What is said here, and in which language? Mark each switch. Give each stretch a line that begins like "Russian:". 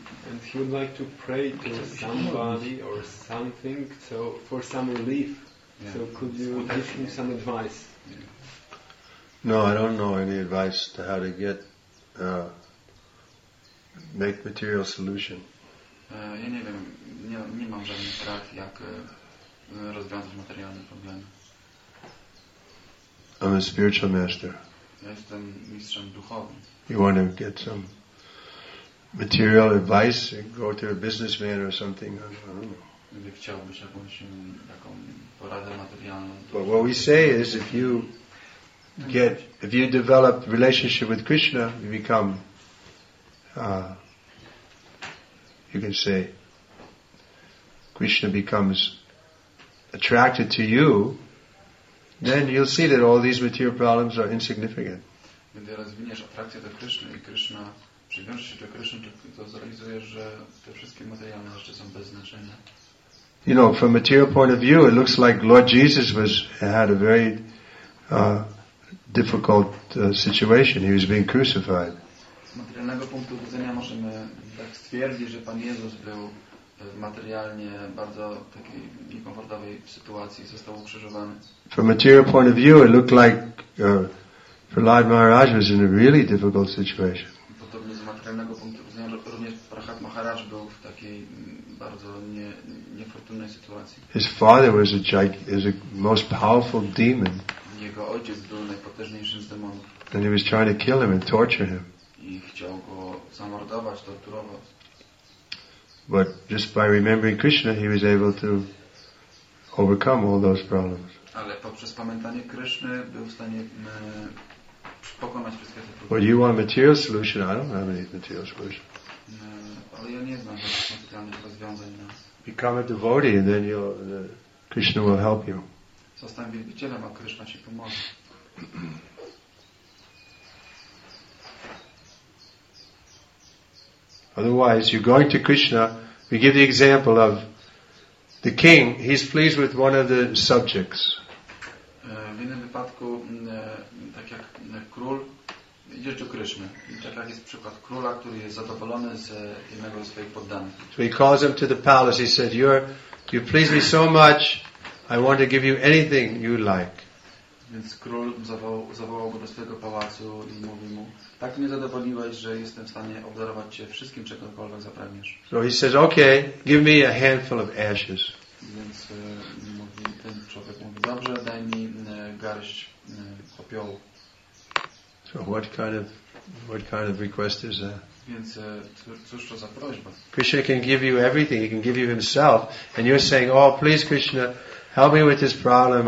English: And he would like to pray to somebody or something, so for some relief. Yeah. So could you give him some advice? Yeah. No, I don't know any advice to how to get make material solution.
Polish: Ja nie wiem, nie mam żadnych rad, jak rozwiązać materialne problemy.
English: I'm a spiritual master.
Polish: Ja jestem mistrzem duchowym.
English: You want to get some material advice, go to a businessman or something, I don't know.
Polish: Gdy chciałbyś taką poradę materialną.
English: But what we say is, if you get, if you develop relationship with Krishna, you become you can say Krishna becomes attracted to you, then you'll see that all these material problems are insignificant.
Polish: Gdy rozwiniesz atrakcję do Krishna i Krishna przywiąże się do Krishna, to zrealizujesz, że te wszystkie materialne rzeczy są bez znaczenia.
English: You know, from a material point of view, it looks like Lord Jesus had a very difficult situation. He was being crucified.
Polish: Z materialnego punktu widzenia możemy tak stwierdzić, że Pan Jezus był materialnie bardzo takiej niekomfortowej sytuacji, został ukrzyżowany.
English: From a material point of view, it looked like Prahlad Maharaj was in a really difficult situation.
Polish: Podobnie z materialnego punktu widzenia również Prahlad Maharaj był w takiej bardzo niefortunnej sytuacji.
English: His father was a most powerful demon.
Polish: Jego ojciec był najpotężniejszym z demonów.
English: And he was trying to kill him and torture him.
Polish: I chciał go zamordować, torturować.
English: But just by remembering Krishna, he was able to overcome all those problems.
Polish: Ale poprzez pamiętanie Krishny był w stanie pokonać wszystkie te problemy.
English: But you want material solution? I don't have any material solution.
Polish: Ale ja nie znam żadnych materialnych rozwiązań.
English: Become a devotee, and then Krishna will help you.
Polish: Zostań wielbicielem, a Krishna ci pomoże.
English: Otherwise, you're going to Krishna. We give the example of the king. He's pleased with one of the subjects.
Polish: W innym wypadku, tak jak król, idziesz do Krishny. I tak jak jest przykład króla, który jest zadowolony z jednego z swoich poddanych.
English: So he calls him to the palace. He said, you please me so much, I want to give you anything you like.
Polish: Więc król zawołał go do swojego pałacu i mówi mu: tak mnie zadowoliłeś, że jestem w stanie obdarować cię wszystkim, czegokolwiek zapragniesz.
English: So he says, okay, give me a handful of ashes.
Polish: Więc ten człowiek mówi: dobrze, daj mi garść popiołu.
English: So what kind of request is that?
Polish: Więc cóż to za prośba?
English: Krishna can give you everything. He can give you himself, and you're saying, oh, please, Krishna, help me with this problem.